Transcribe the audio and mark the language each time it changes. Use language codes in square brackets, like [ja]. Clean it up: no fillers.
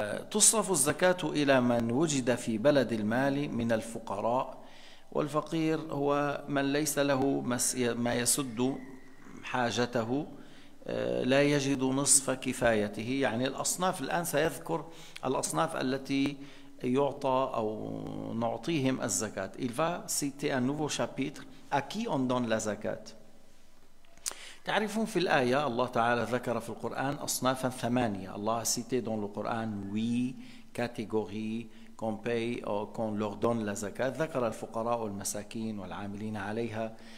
[ar] تصرف الزكاة إلى من وجد في بلد المال من الفقراء والفقير هو من ليس له ما يسد حاجته لا يجد نصف كفايته. يعني الأصناف الآن سيذكر الأصناف التي يعطى أو نعطيهم الزكاة. [fr] Il va citer un nouveau chapitre à qui on donne la zakat. [ar] تعرفون في الآية الله تعالى ذكر في القرآن أصنافا ثمانية. [fr] الله cité dans le Coran huit catégories qu'on paye ou qu'on leur donne la zakat. [ar] ذكر الفقراء والمساكين والعاملين عليها.